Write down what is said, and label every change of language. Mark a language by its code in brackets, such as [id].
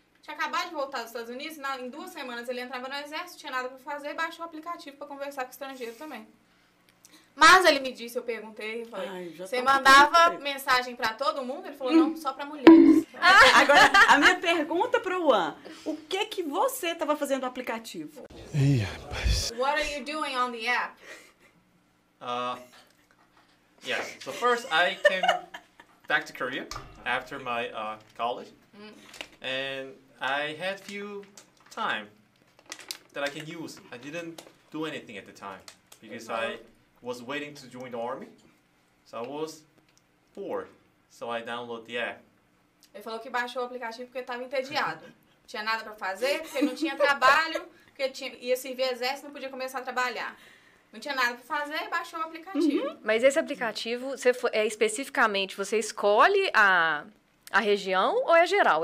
[pt] Tinha acabado de voltar dos Estados Unidos, em duas semanas ele entrava no exército, tinha nada para fazer, baixou o aplicativo para conversar com o estrangeiro também. Mas ele me disse, eu perguntei, eu falei, você mandava mensagem para todo mundo? Ele falou, não, só para mulheres. Agora, a minha pergunta pro Juan, o que que você estava fazendo no aplicativo? Ih, rapaz. [en] What are you doing on the app? So first I came back to Korea after my college. And I had few time that I can use. I didn't do anything at the time because I was waiting to join the army. So I was bored. So I downloaded the app. [pt] Ele falou que baixou o aplicativo porque estava entediado. Tinha nada para fazer, porque não tinha trabalho, porque ia servir exército, não podia começar a trabalhar. Não tinha nada para fazer, baixou o aplicativo. Uhum. Mas esse aplicativo, é especificamente, você escolhe a região ou é geral?